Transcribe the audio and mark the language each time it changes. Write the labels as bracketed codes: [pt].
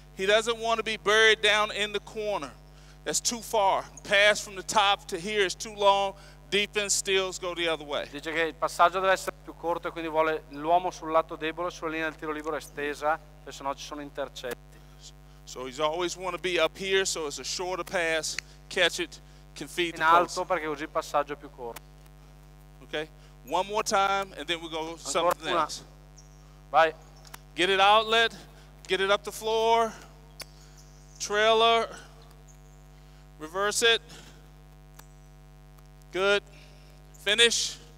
[en] He doesn't want to be buried down in the corner. That's too far. Pass from the top to here is too long. Defense steals go the other way. [it] Dice che il passaggio deve essere più corto e quindi vuole l'uomo sul lato debole sulla linea del tiro libero estesa, perché sennò ci sono intercetti. [en] So he's always want to be up here, so it's a shorter pass. Catch it, can feed in the post. [it] In alto, perché così il passaggio è più corto. [en] Okay, One more time, and then we go something else. [it] Vai. [en] Get it outlet. Get it up the floor. Trailer. Reverse it. Good. Finish.